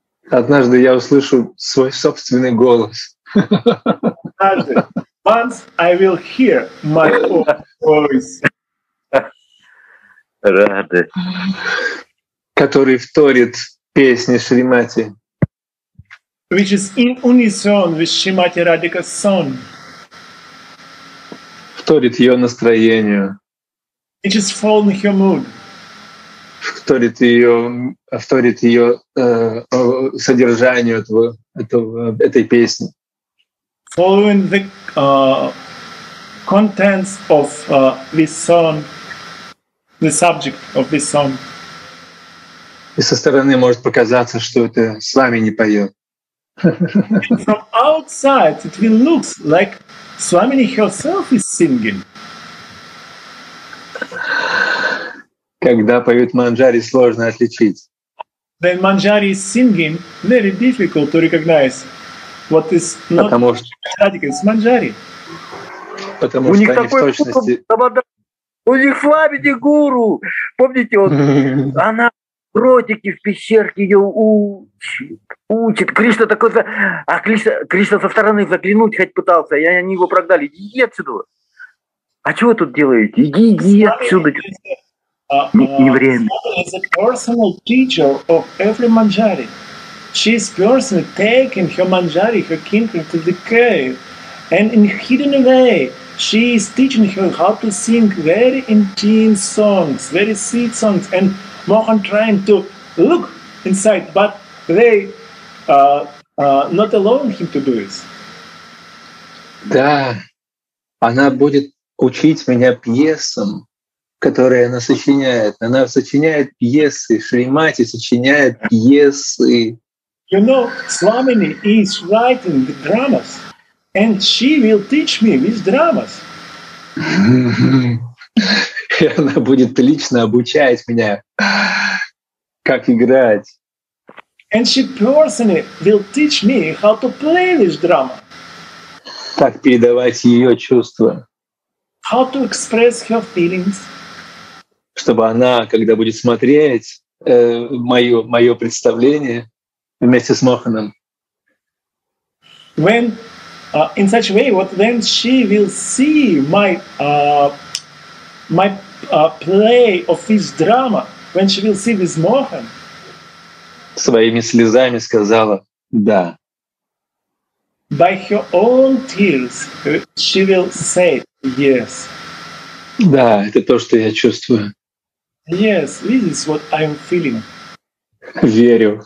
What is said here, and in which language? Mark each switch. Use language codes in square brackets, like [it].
[ru] Однажды я услышу свой собственный голос. Однажды. [en] Once I will hear my own voice. [ru] Рады. Который вторит песне Шримати. [en] Which is in unison with Shrimati Radhika's song. [ru] Вторит ее настроению. [en] Which is following her mood. [ru] Вторит ее содержанию этой песни. [en] Following the contents of this song, the subject of this song. [ru] И со стороны может показаться, что это с вами не поет. [en] From outside it will look like Swamini herself is singing. [ru] Когда поют манджари, сложно отличить. [en] When manjari is singing, very difficult to recognize what is not Radhika, it's manjari. [ru] Потому у что они в точности... У них Swamini гуру! Помните, вот, она в ротике в пещерке ее учит. Кришна такой... А Кришна со стороны заглянуть хоть пытался, и они его прогнали. Иди отсюда! А что вы тут делаете? Иди отсюда! [en] Is a personal teacher of every manjari. She's personally taking her manjari, her kinkri, to the cave, and in hidden way, she is teaching her how to sing very intense songs, very sweet songs. And Mohan trying to look inside, but they not allowing him to do this. [ru] Да, она будет учить меня пьесам. Которые она сочиняет. Она сочиняет пьесы. Шримати сочиняет пьесы. [en] You know, Swamini is writing the dramas. And she will teach me these dramas. [ru] И она будет лично обучать меня, как играть. [en] And she personally will teach me how to play this drama. [ru] Как передавать ее чувства. [en] How to express her feelings. [ru] Чтобы она, когда будет смотреть мое представление вместе с Моханом. [en] When in such way, what then she will see my play of this drama when she will see this Mohan? [ru] Своими слезами сказала да. [en] By her own tears, she will say yes. [ru] Да, это то, что я чувствую. [en] Yes, this is what I'm feeling. [ru] Верю.